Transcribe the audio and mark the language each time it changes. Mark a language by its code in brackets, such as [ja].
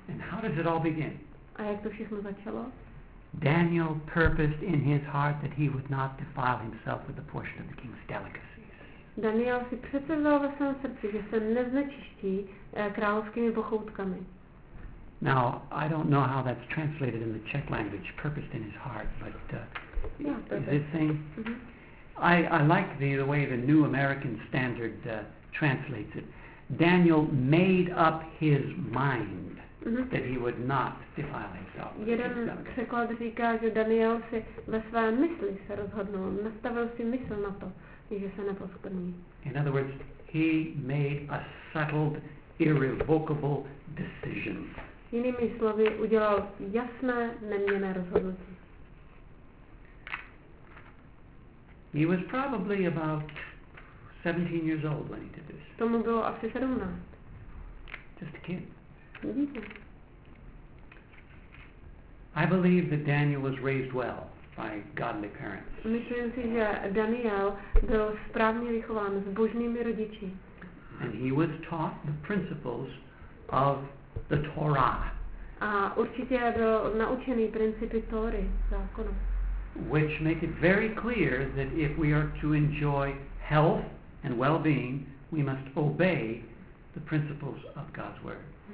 [en] And how does it all begin? [cs] A jak to všechno začalo? [en] Daniel purposed in his heart that he would not defile himself with a portion of the king's delicacies. [cs] Daniel si předsevzal ve svém srdci, že se neznečistí královskými pochoutkami. [en] Now, I don't know how that's translated in the Czech language, purposed in his heart, but is this thing? Mm-hmm. I like the way the New American Standard translates it. Daniel made up his mind that he would not defile himself. [cs] Jeden překlad říká, že Daniel si ve své mysli se rozhodnul, nastavil si mysl na to, že se neposkvrní. [en] In other words, he made a settled, irrevocable decision. [cs] Jinými slovy, udělal jasné, neměnné rozhodnutí. [en] He was probably about 17 years old when he did this. [cs] Tomu bylo asi 17. [en] Just a kid. Mm-hmm. I believe that Daniel was raised well by godly parents. [cs] Myslím si, že Daniel byl správně vychován s božními rodiči. [en] And he was taught the principles of the Torah. [cs] A určitě byl naučený principy Tóry, zákonu. [en] Which make it very clear that if we are to enjoy health and well-being, we must obey the principles of God's word.